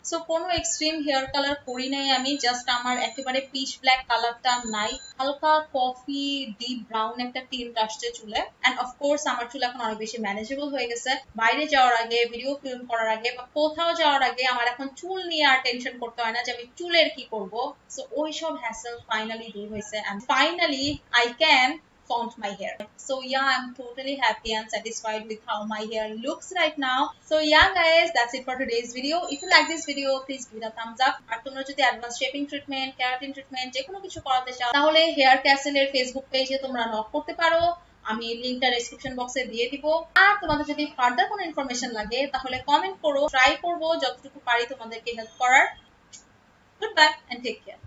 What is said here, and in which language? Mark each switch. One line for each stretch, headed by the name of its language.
Bangla: So কোনো extreme hair colour করি নাই আমি, জাস্ট আমার একেবারে পিচ ব্ল্যাক কালারটা নাই, হালকা কফি ডিপ ব্রাউন একটা টিন্ট আসছে চুলে। অ্যান্ড অফকোর্স আমার চুল এখন অনেক বেশি ম্যানেজেবল হয়ে গেছে, বাইরে যাওয়ার আগে, ভিডিও ফিল্ম করার আগে বা কোথাও যাওয়ার আগে আমার এখন চুল নিয়ে আর টেনশন করতে হয় না যে আমি চুলের কি করব। সো ওই সব হ্যাসেল ফাইনালি দূর হয়েছে, and finally I can
English: found my hair. So yeah, I'm totally happy and satisfied with how my hair looks right now. So yeah guys, that's it for today's video. If you like this video, please give it a thumbs up.
Bangla: আর তোমরা যদি advance shaping treatment, keratin treatment যে কোনো কিছু করাতে চাও তাহলে hair castle এর Facebook পেজে তোমরা লগ করতে পারো, আমি লিংকটা ডেসক্রিপশন বক্সে দিয়ে দিব। আর তোমাদের যদি ফার্দার কোনো ইনফরমেশন লাগে তাহলে কমেন্ট করো, ট্রাই করব যতটুকু পারি তোমাদেরকে হেল্প করার। Good bye and take care.